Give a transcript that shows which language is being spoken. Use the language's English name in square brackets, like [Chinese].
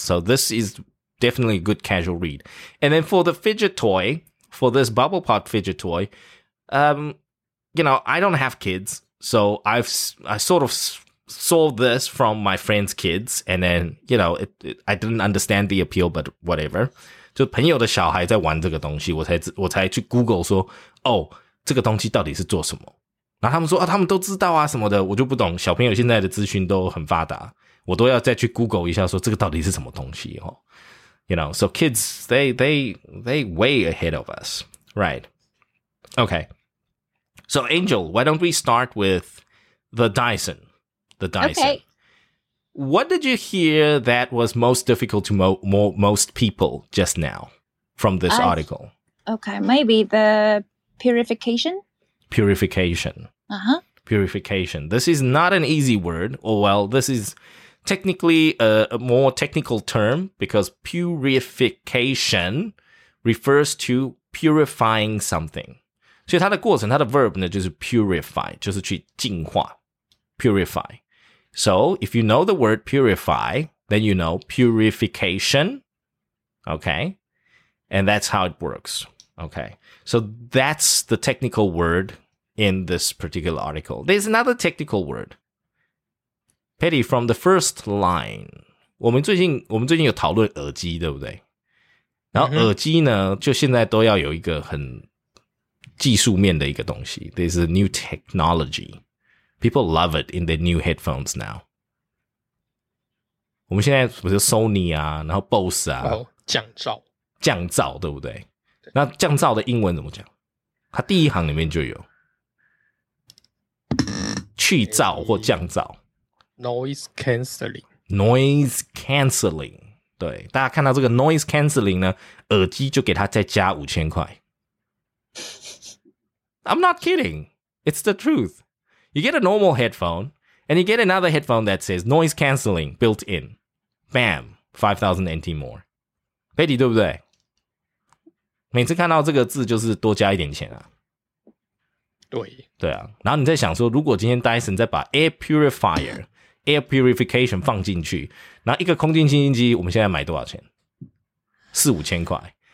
[English] So this isDefinitely a good casual read. And then for the fidget toy, for this bubble pot fidget toy, you know, I don't have kids. So I sort of saw this from my friend's kids. And then, you know, I didn't understand the appeal, but whatever. [Chinese] 就朋友的小孩在玩这个东西，我才去 Google 说，哦，这个东西到底是做什么？然后他们说，他们都知道啊什么的，我就不懂。小朋友现在的资讯都很发达，我都要再去 Google 一下说这个到底是什么东西哦。 [English] You know, so kids, they way ahead of us, right? Okay. So Angel, why don't we start with the Dyson. Okay. What did you hear that was most difficult to most people just now from this article? Okay, maybe the purification? Purification. Uh-huh. Purification. This is not an easy word. Oh, well, this is... Technically, a more technical term because purification refers to purifying something. [Chinese] 所以它的过程,它的 verb 呢就是 purify, 就是去净化, purify. [English] So if you know the word purify, then you know purification. Okay. And that's how it works. Okay. So that's the technical word in this particular article. There's another technical word. Patty, from the first line. [Chinese] 我们最近有讨论耳机，对不对？然后耳机呢，就现在都要有一个很技术面的一个东西。 [English] There's a new technology. People love it in their new headphones now. [Chinese] 我们现在不是 Sony 啊，然后 Bose 啊，降噪，降噪，对不对？那降噪的英文怎么讲？它第一行里面就有去噪或降噪 [English] ，noise cancelling。 [Chinese] Noise cancelling， 对，大家看到这个 noise cancelling 呢，耳机就给它再加5000块。 [English] I'm not kidding, it's the truth. You get a normal headphone, and you get another headphone that says noise cancelling built in. Bam, 5000 NT more. Patty [Chinese] 对不对？每次看到这个字就是多加一点钱啊。对，对啊。然后你在想说，如果今天 Dyson 再把 air purifier air purification 放进去，然后一个空气清新机我们现在买多少钱？4000-5000块。